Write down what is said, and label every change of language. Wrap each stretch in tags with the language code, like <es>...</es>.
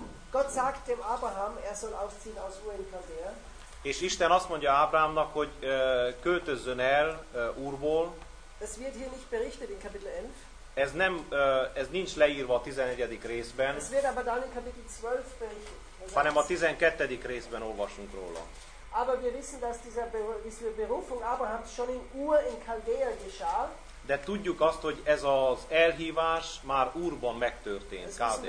<de>Gott sagt dem Abraham, er soll ausziehen aus Ur in Chaldea.</de> <hu>És Isten azt mondja Ábrámnak, hogy költözzön el Úrból.</hu> <de>Das wird hier nicht berichtet in Kapitel 11.</de> <hu>Ez nem, ez nincs leírva a 11. részben.</hu> <de>Es wird aber dann in Kapitel 12 berichtet.</de> <hu>Hanem a 12. részben olvasunk róla.</hu> <de>Aber wir wissen, dass diese Berufung Abrahams schon in Ur in Chaldea geschah.</de> <hu>De tudjuk azt, hogy ez az elhívás már Úrban megtörtént.</hu>